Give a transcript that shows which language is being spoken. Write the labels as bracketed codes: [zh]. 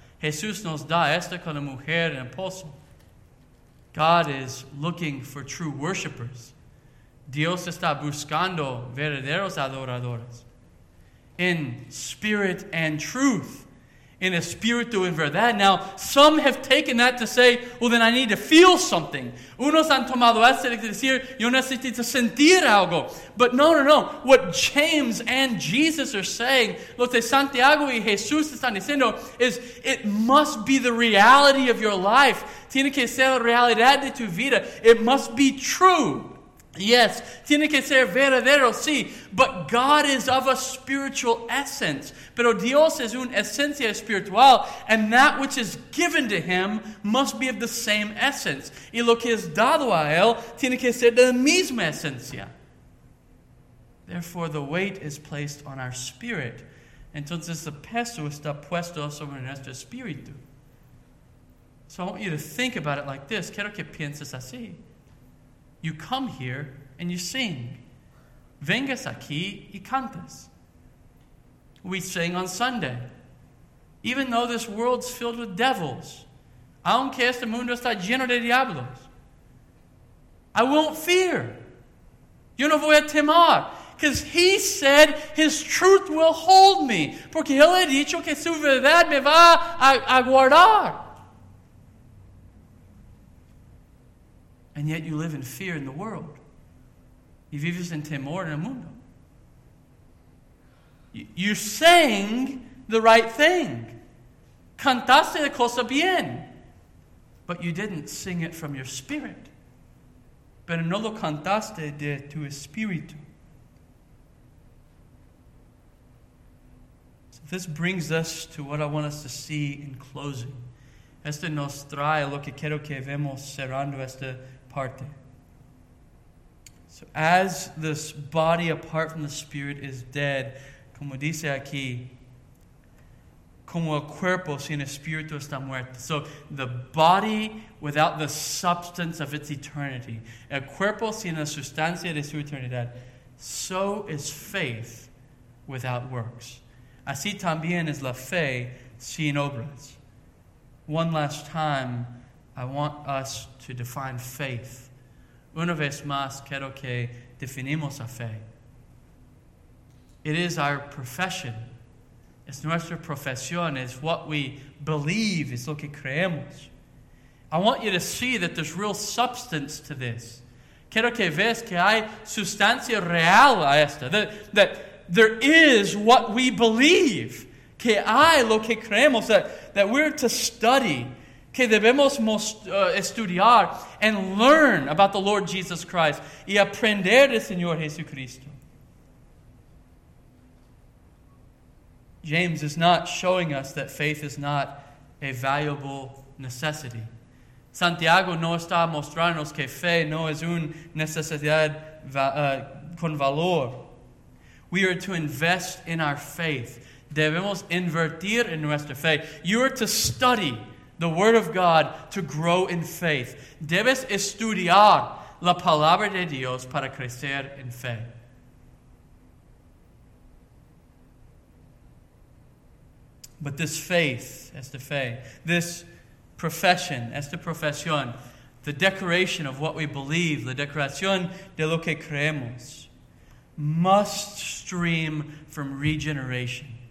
[es] Jesús nos da esta con la mujer en el pozo. [en] God is looking for true worshipers. [es] Dios está buscando verdaderos adoradores. [en] In spirit and truth. In [es] espíritu y verdad. [en] Now, some have taken that to say, well, then I need to feel something. [es] Unos han tomado esto de decir, yo necesito sentir algo. [en] But no. What James and Jesus are saying, [es] lo que Santiago y Jesús están diciendo, [en] is it must be the reality of your life. [es] Tiene que ser la realidad de tu vida. [en] It must be true. [es] Yes, tiene que ser verdadero, sí. [en] But God is of a spiritual essence. [es] Pero Dios es una esencia espiritual. [en] And that which is given to him must be of the same essence. [es] Y lo que es dado a él tiene que ser de la misma esencia. [en] Therefore, the weight is placed on our spirit. [es] Entonces, el peso está puesto sobre nuestro espíritu. [en] So I want you to think about it like this. [es] Quiero que pienses así. [en] You come here and you sing. [es] Vengas aquí y cantas. [en] We sing on Sunday. Even though this world's filled with devils, [es] aunque este mundo está lleno de diablos, [en] I won't fear. [es] Yo no voy a temer. [en] Because he said his truth will hold me. [es] Porque él ha dicho que su verdad me va a guardar. [en] And yet you live in fear in the world. [es] Y vives en temor en el mundo. [en] You sang the right thing. [es] Cantaste la cosa bien. [en] But you didn't sing it from your spirit. [es] Pero no lo cantaste de tu espíritu. [en] So this brings us to what I want us to see in closing. [es] Este nos trae lo que quiero que vemos cerrando esta parte. [en] So as this body apart from the spirit is dead, [es] como dice aquí, como el cuerpo sin espíritu está muerto. [en] So the body without the substance of its eternity, [es] el cuerpo sin la sustancia de su eternidad, [en] so is faith without works. [es] Así también es la fe sin obras. [en] One last time, I want us to define faith. [es] Una vez más, quiero que definimos la fe. [en] It is our profession. [es] Es nuestra profesión. [en] It's what we believe. It's [es] lo que creemos. [en] I want you to see that there's real substance to this. [es] Quiero que veas que hay sustancia real a esta. [en] That there is what we believe. [es] Que hay lo que creemos. [en] That we're to study. [es] Que debemos estudiar [en] and learn about the Lord Jesus Christ. [es] Y aprender del Señor Jesucristo. [en] James is not showing us that faith is not a valuable necessity. [es] Santiago no está mostrándonos que fe no es una necesidad con valor. [en] We are to invest in our faith. [es] Debemos invertir en nuestra fe. [en] You are to study the Word of God to grow in faith. [es] Debes estudiar la palabra de Dios para crecer en fe. [en] But this faith, [es] esta fe, [en] this profession, [es] esta profesión, [en] the declaration of what we believe, [es] la declaración de lo que creemos, [en] must stream from regeneration.